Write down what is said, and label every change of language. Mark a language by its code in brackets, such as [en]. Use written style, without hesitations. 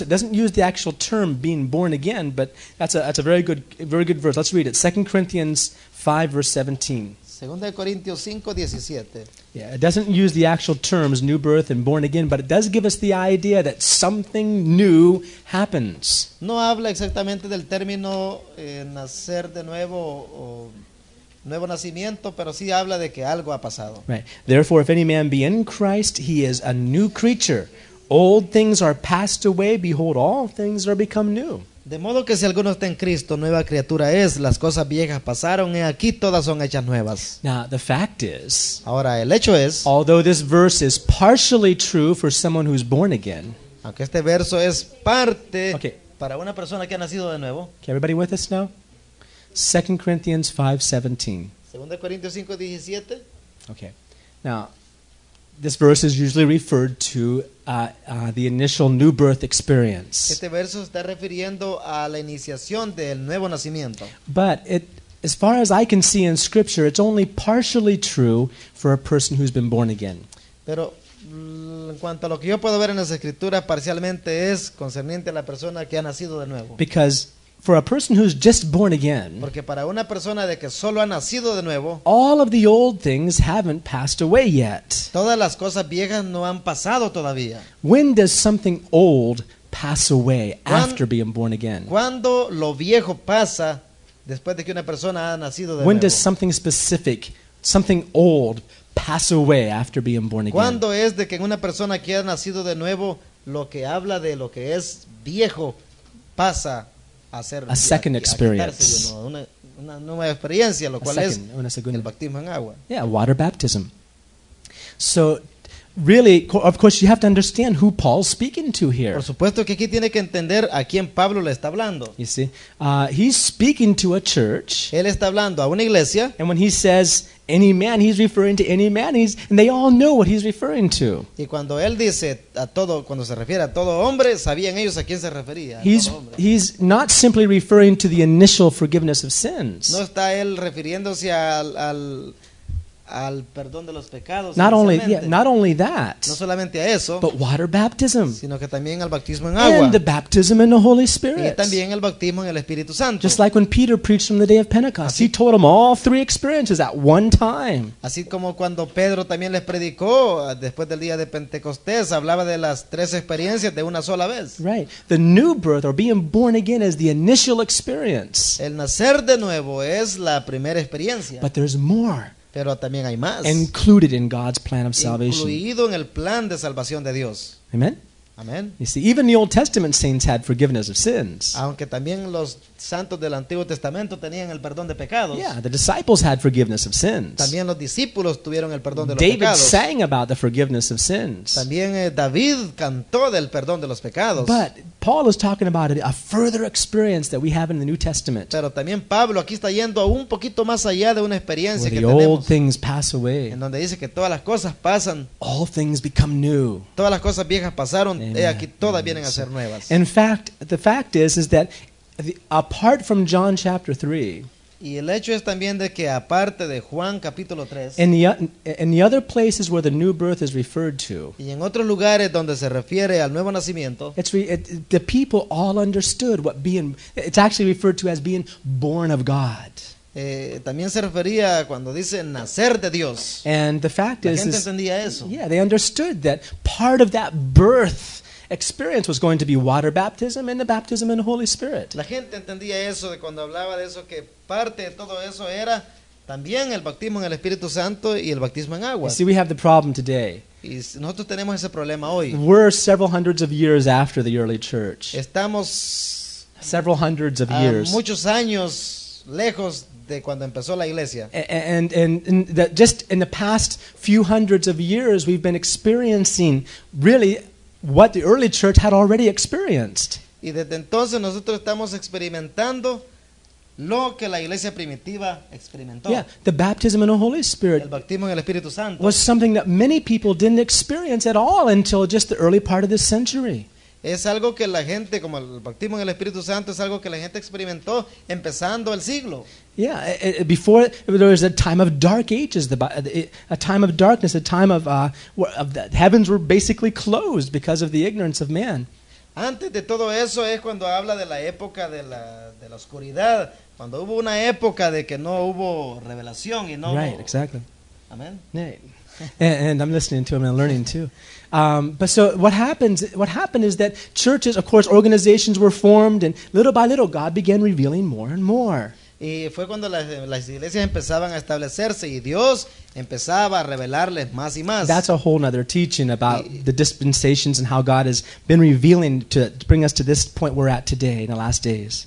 [en] It doesn't use the actual term being born again, but that's a very good verse. Let's read it. 2 Corinthians 5 verse 17. [es] Segunda de Corintios 5:17. [en] Yeah, it doesn't use the actual terms new birth and born again, but it does give us the idea that something new happens. [es] No habla exactamente del término nacer de nuevo o nuevo nacimiento, pero sí habla de que algo ha pasado. [en] Right. Therefore, if any man be in Christ, he is a new creature. Old things are passed away. Behold, all things are become new. [es] De modo que si alguno está en Cristo, nueva criatura es. Las cosas viejas pasaron, y aquí todas son hechas nuevas. [en] Now, the fact is, [es] ahora, el hecho es, [en] although this verse is partially true for someone who's born again, [es] aunque este verso es parte para una persona que ha nacido de nuevo. [en] Okay, everybody with us now? 2 Corinthians 5:17. Okay. Now, this verse is usually referred to the initial new birth experience. [es] Este verso está refiriendo a la iniciación del nuevo nacimiento. [en] But it, as far as I can see in Scripture, it's only partially true for a person who's been born again. [es] Pero en cuanto a lo que yo puedo ver en las Escrituras, parcialmente es concerniente a la persona que ha nacido de nuevo. [en] Because for a person who's just born again, [es] porque para una persona de que solo ha nacido de nuevo, [en] all of the old things haven't passed away yet. [es] Todas las cosas viejas no han pasado todavía. [en] When does something old pass away after being born again? [es] ¿Cuándo lo viejo pasa después de que una persona ha nacido de nuevo? [en] When does something specific, something old pass away after being born again? [es] ¿Cuándo es de que una persona que ha nacido de nuevo lo que habla de lo que es viejo pasa? [en] A second experience. [es] Una nueva experiencia, lo cual es el bautismo en agua. [en] Yeah, water baptism. So really, of course, you have to understand who Paul's speaking to here. [es] Por supuesto que aquí tiene que entender a quién Pablo le está hablando. [en] You see, he's speaking to a church. [es] Él está hablando a una iglesia. [en] And when he says any man, he's referring to any man. He's, and they all know what he's referring to. [es] Y cuando él dice a todo, cuando se refiere a todo hombre, sabían ellos a quién se refería. [en] He's not simply referring to the initial forgiveness of sins. [es] No está él refiriéndose al al perdón de los pecados. [en] Not only that. [es] No solamente a eso. [en] But water baptism. [es] Sino que también al bautismo en agua. [en] And the baptism in the Holy Spirit. [es] Y también el bautismo en el Espíritu Santo. [en] Just like when Peter preached on the day of Pentecost, [es] así, [en] he told them all three experiences at one time. [es] Así como cuando Pedro también les predicó después del día de Pentecostés, hablaba de las tres experiencias de una sola vez. [en] Right. The new birth or being born again is the initial experience. [es] El nacer de nuevo es la primera experiencia. [en] But there's more. [es] Pero también hay más. [en] Included in God's plan of salvation. [es] Incluido en el plan de salvación de Dios. [en] Amen. Amen. You see, even the Old Testament saints had forgiveness of sins. [es] Aunque también los santos del Antiguo Testamento tenían el perdón de pecados. [en] Yeah, the disciples had forgiveness of sins. [es] También los discípulos tuvieron el perdón de los [en] David [es] pecados. [en] David sang about the forgiveness of sins. [es] También David cantó del perdón de los pecados. [en] But Paul is talking about a further experience that we have in the New Testament. [es] Pero también Pablo aquí está yendo un poquito más allá de una experiencia que tenemos. [en] Where the old things pass away. [es] En donde dice que todas las cosas pasan. [en] All things become new. [es] Todas las cosas viejas pasaron. Amen. Aquí todas vienen a ser nuevas. [en] In fact, the fact is that apart from John chapter 3, [es] y el hecho es también de que aparte de Juan capítulo 3, [en] in the other places where the new birth is referred to, [es] y en otros lugares donde se refiere al nuevo nacimiento, [en] the people all understood what being, it's actually referred to as being born of God. [es] También se refería cuando dice nacer de Dios. [en] And the fact [es] la [en] is, [es] gente entendía eso. [en] Yeah, they understood that part of that birth experience was going to be water baptism and the baptism in the Holy Spirit. [es] La gente entendía eso de cuando hablaba de eso, que parte de todo eso era también el bautismo en el Espíritu Santo y el bautismo en agua. [en] You see, we have the problem today. [es] Y nosotros tenemos ese problema hoy. [en] We're several hundreds of years after the early church. [es] Estamos [en] several hundreds of years. [es] Muchos años lejos de cuando empezó la iglesia. [en] And just in the past few hundreds of years, we've been experiencing really what the early church had already experienced. [es] Y desde entonces nosotros estamos experimentando lo que la iglesia primitiva experimentó. [en] Yeah, the baptism in the Holy Spirit, [es] el bautismo en el Espíritu Santo, [en] was something that many people didn't experience at all until just the early part of this century. [es] Es algo que la gente, como el bautismo en el Espíritu Santo, es algo que la gente experimentó empezando el siglo. [en] Yeah, before there was a time of dark ages, a time of darkness, a time of the heavens were basically closed because of the ignorance of man. [es] Antes de todo eso es cuando habla de la época de la oscuridad, cuando hubo una época de que no hubo revelación y no. [en] Right, exactly. Amen. Yeah. And I'm listening to him and learning too. But so what happened is that churches, of course, organizations were formed, and little by little God began revealing more and more. [es] Y fue cuando las iglesias empezaban a establecerse y Dios empezaba a revelarles más y más. [en] That's a whole other teaching about the dispensations and how God has been revealing to bring us to this point we're at today in the last days.